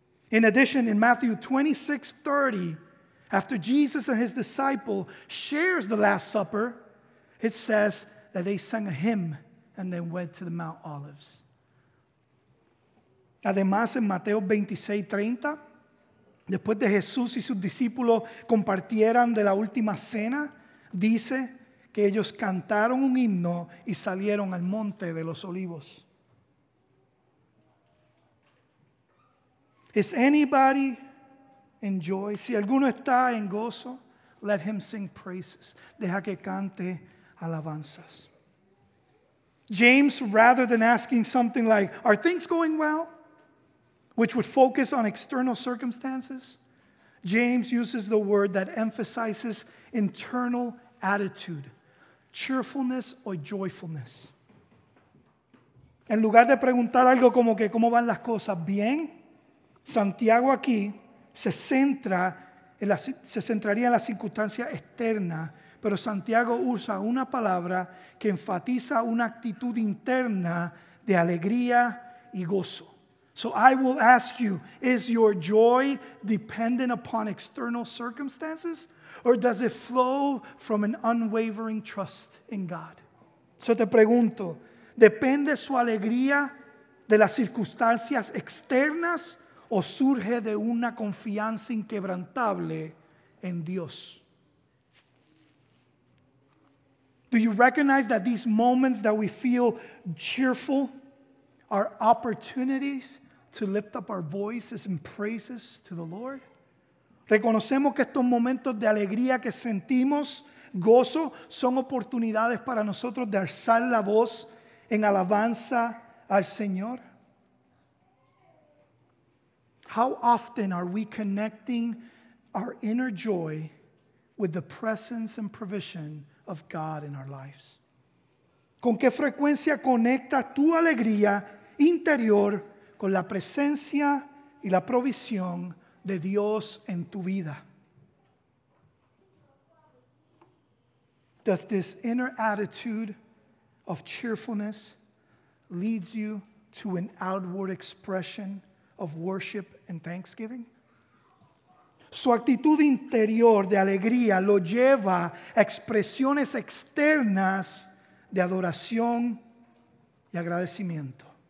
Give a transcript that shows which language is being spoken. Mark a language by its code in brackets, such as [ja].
[en] In addition, in Matthew 26:30, after Jesus and his disciple shares the Last Supper, it says that they sang a hymn and then went to the Mount Olives. [es] Además, en Mateo 26:30, después de Jesús y sus discípulos compartieran de la última cena, dice que ellos cantaron un himno y salieron al monte de los olivos. [en] Is anybody in joy? [es] Si alguno está en gozo, [en] let him sing praises. [es] Deja que cante alabanzas. [en] James, rather than asking something like, are things going well? Which would focus on external circumstances, James uses the word that emphasizes internal attitude, cheerfulness or joyfulness. [es] En lugar de preguntar algo como que cómo van las cosas bien, Santiago aquí se centraría en la circunstancia externa, pero Santiago usa una palabra que enfatiza una actitud interna de alegría y gozo. [en] So I will ask you, is your joy dependent upon external circumstances or does it flow from an unwavering trust in God? [es] So te pregunto, ¿depende su alegría de las circunstancias externas o surge de una confianza inquebrantable en Dios? [en] Do you recognize that these moments that we feel cheerful are opportunities to lift up our voices in praises to the Lord? [es] Reconocemos que estos momentos de alegría que sentimos, gozo, son oportunidades para nosotros de alzar la voz en alabanza al Señor. [en] How often are we connecting our inner joy with the presence and provision of God in our lives? [es] ¿Con qué frecuencia conecta tu alegría interior con la presencia y la provisión de Dios en tu vida? [en] Does this inner attitude of cheerfulness lead you to an outward expression of worship and thanksgiving? [es] Su actitud interior de alegría lo lleva a expresiones externas de adoración y agradecimiento.